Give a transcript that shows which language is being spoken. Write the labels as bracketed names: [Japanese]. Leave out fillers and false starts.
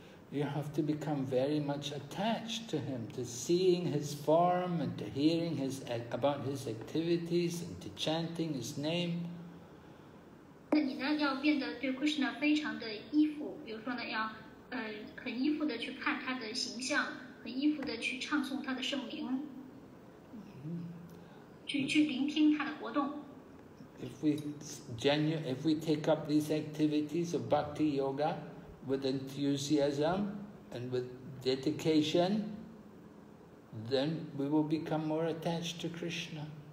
[English] You have to become very much attached to him, to seeing his form and to hearing his about his activities and to chanting his name. [Chinese] 那你呢，要变得对Krishna非常的依附，比如说呢，要很依附的去看他的形象，很依附的去唱诵他的圣名，去聆听他的活动。 [English] If we take up these activities of bhakti yoga with enthusiasm and with dedication, then we will become more attached to Krishna.